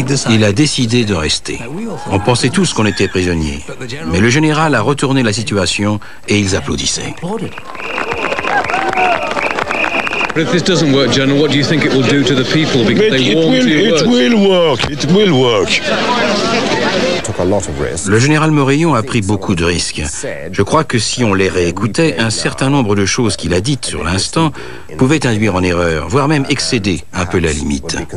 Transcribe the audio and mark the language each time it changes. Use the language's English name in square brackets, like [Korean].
[French] Il a décidé de rester. On pensait tous qu'on était prisonniers. Mais le général a retourné la situation et ils applaudissaient. [English] If this doesn't work, General, what do you think it will do to the people? Because they warned you. It will work. It will work. [French] Le général Morillon a pris beaucoup de risques. Je crois que si on les réécoutait, un certain nombre de choses qu'il a dites sur l'instant pouvaient induire en erreur, voire même excéder un peu la limite.